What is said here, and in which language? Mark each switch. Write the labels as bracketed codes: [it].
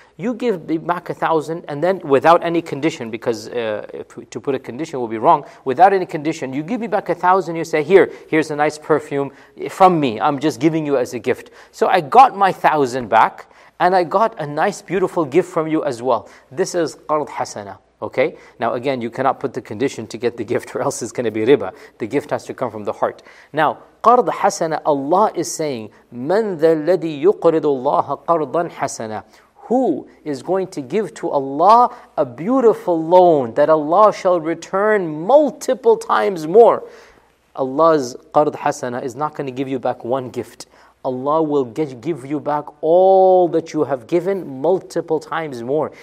[en] You give back $1,000, and then without any condition, because to put a condition will be wrong, without any condition, you give me back $1,000, you say, here's a nice perfume from me. I'm just giving you as a gift. So I got my $1,000 back, and I got a nice, beautiful gift from you as well. This is qard hasana, okay? Now again, you cannot put the condition to get the gift, or else it's going to be riba. The gift has to come from the heart. Now, qard hasana, Allah is saying, [ar] مَنْ ذَا الَّذِي يُقْرِضُ اللَّهَ قَرْضًا حَسَنًا. [en] Who is going to give to Allah a beautiful loan that Allah shall return multiple times more? Allah's qard hasana is not going to give you back one gift. Allah will give you back all that you have given multiple times more.